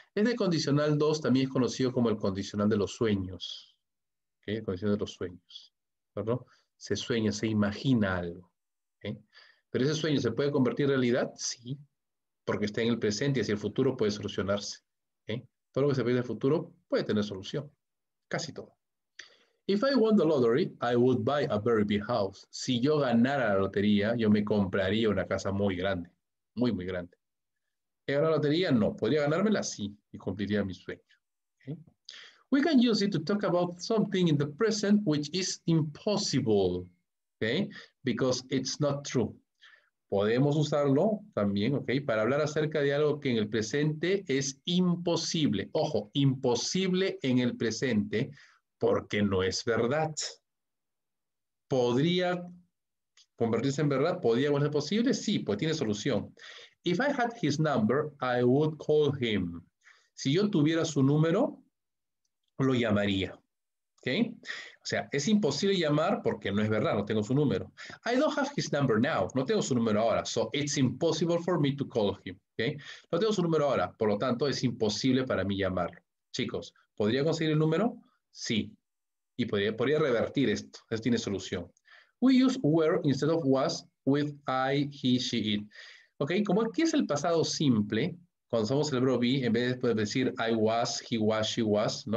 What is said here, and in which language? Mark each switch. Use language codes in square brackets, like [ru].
[es] Este condicional 2 también es conocido como el condicional de los sueños. ¿Okay? El condicional de los sueños. ¿Perdón? Se sueña, se imagina algo. ¿Okay? ¿Pero ese sueño se puede convertir en realidad? Sí. Porque está en el presente y hacia el futuro puede solucionarse. ¿Okay? Todo lo que se ve en el futuro puede tener solución. Casi todo. [en] If I won the lottery, I would buy a very big house. [es] Si yo ganara la lotería, yo me compraría una casa muy grande. Muy, muy grande. ¿He ganado la lotería? No. ¿Podría ganármela? Sí. Y cumpliría mi sueño. Okay. [en] We can use it to talk about something in the present which is impossible. Okay? Because it's not true. [es] Podemos usarlo también, okay, para hablar acerca de algo que en el presente es imposible. Ojo, imposible en el presente. Porque no es verdad. ¿Podría convertirse en verdad? ¿Podría ser posible? Sí, pues tiene solución. [en] If I had his number, I would call him. [es] Si yo tuviera su número, lo llamaría. ¿Okay? O sea, es imposible llamar porque no es verdad, no tengo su número. [en] I don't have his number now. [es] No tengo su número ahora. [en] So it's impossible for me to call him. [es] ¿Okay? No tengo su número ahora. Por lo tanto, es imposible para mí llamarlo. Chicos, ¿podría conseguir el número? Sí, y podría revertir esto. Esto tiene solución. [en] We use were instead of was with I, he, she, it. [es] Ok, como aquí es el pasado simple, cuando somos el verbo be, en vez de decir [en] I was, he was, she was, [es] ¿no?